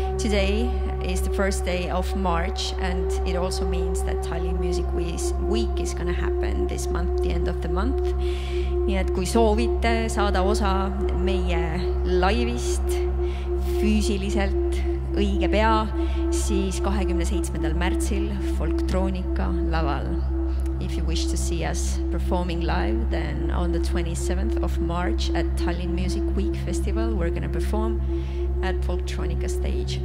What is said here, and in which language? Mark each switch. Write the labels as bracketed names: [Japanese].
[English] Today is the first day of March and it also means that Tallinn Music Week is going to happen this month, the end of the month. [Estonian] Nii et kui soovite saada osa meie laivist füüsiliselt õige pea, siis 27. märtsil Folktronika laval. [English] If you wish to see us performing live, then on the 27th of March at Tallinn Music Week Festival, we're going to perform at Folktronika stage.